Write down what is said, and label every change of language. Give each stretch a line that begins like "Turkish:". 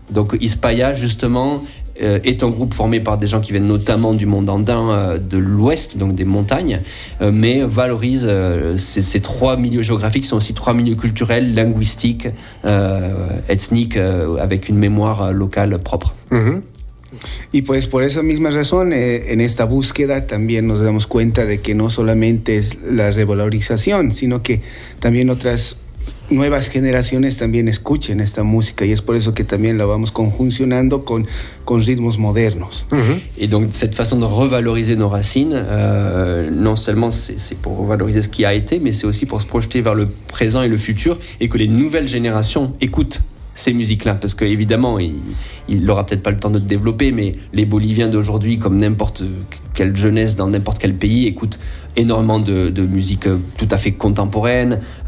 French: Donc Ispaya justement est un groupe formé par des gens qui viennent notamment du monde andin de l'ouest, donc des montagnes, mais valorise ces trois milieux géographiques, sont aussi trois milieux culturels, linguistiques, ethniques, avec une mémoire locale propre.
Spanish: Y pues por esa misma razón, en esta búsqueda también nos damos cuenta de que no solamente es la revalorización, sino que también otras nuevas generaciones también escuchen esta música, y es por eso que también la vamos conjuncionando con ritmos modernos.
French: Y donc cette façon de revaloriser nos racines, non seulement c'est pour valoriser ce qui a été, mais c'est aussi pour se projeter vers le présent et le futur, et que les nouvelles générations écoutent ces musiques-là, parce qu'évidemment, il n'aura peut-être pas le temps de le développer, mais les Boliviens d'aujourd'hui, comme n'importe quelle jeunesse dans n'importe quel pays, écoutent énormément de musique tout à fait contemporaine.